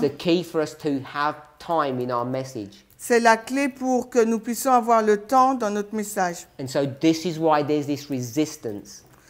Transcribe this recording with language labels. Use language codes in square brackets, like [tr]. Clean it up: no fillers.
[en] Is the key for us to have time in our message. [fr] C'est la clé pour que nous puissions avoir le temps dans notre message. [en] And so this is why there's this resistance.